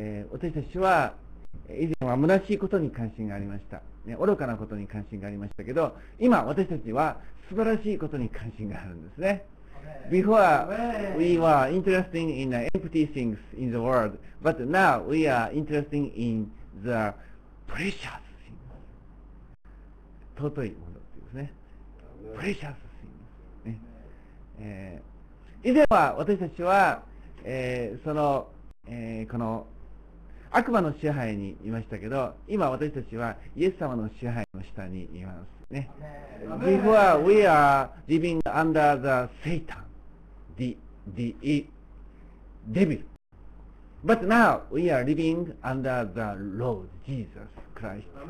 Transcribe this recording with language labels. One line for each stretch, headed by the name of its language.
Japanese: 私たちは以前は虚しいことに関心がありました。ね、愚かなことに関心がありましたけど、今私たちは素晴らしいことに関心があるんですね。
English: Before we were interested in the empty things in the world, but now we are interested in the precious things.
Japanese: 尊いものですね。
English: Precious things、
Japanese: ね。以前は私たちは、この悪魔の支配にいましたけど、今私たちはイエス様の支配の下にいますね。
English: Before we are living under the Satan, the devil. But now we are living under the Lord Jesus Christ.